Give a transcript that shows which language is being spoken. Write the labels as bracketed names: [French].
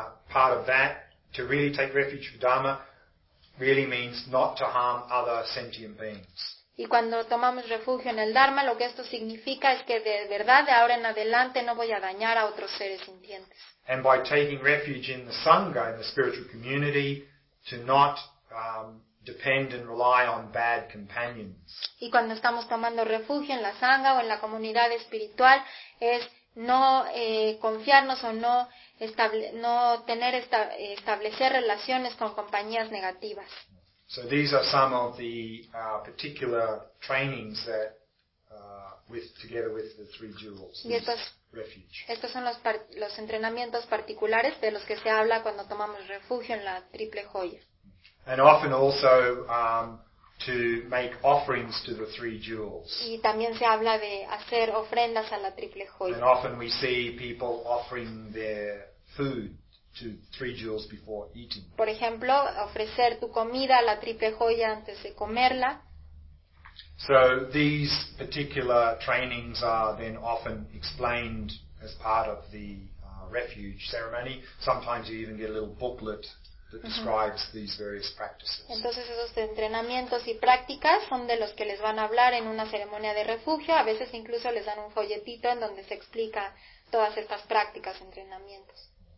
[English] part of that, to really take refuge with Dharma, really means not to harm other sentient beings. [Spanish] Y cuando tomamos refugio en el Dharma, lo que esto significa es que de verdad, de ahora en adelante, no voy a dañar a otros seres sintientes. [English] And by taking refuge in the Sangha, in the spiritual community, to not depend and rely on bad companions. [Spanish] Y cuando estamos tomando refugio en la Sangha o en la comunidad espiritual, es no confiarnos o no establecer relaciones con compañías negativas. [English] So these are some of the particular trainings that together with the three jewels. [Spanish] Y estos, [English] refuge. [Spanish] Estos son los entrenamientos particulares de los que se habla cuando tomamos refugio en la triple joya. [English] And often also to make offerings to the three jewels. [Spanish] Y también se habla de hacer ofrendas a la triple joya. [English] And often we see people offering their food to three jewels before eating. [Spanish] Por ejemplo, ofrecer tu comida a la triple joya antes de comerla. [English] So these particular trainings are then often explained as part of the refuge ceremony. Sometimes you even get a little booklet that describes these various practices. [Spanish] Entonces esos entrenamientos y prácticas son de los que les van a hablar en una ceremonia de refugio. A veces incluso les dan un folletito en donde se explica todas estas prácticas, entrenamientos.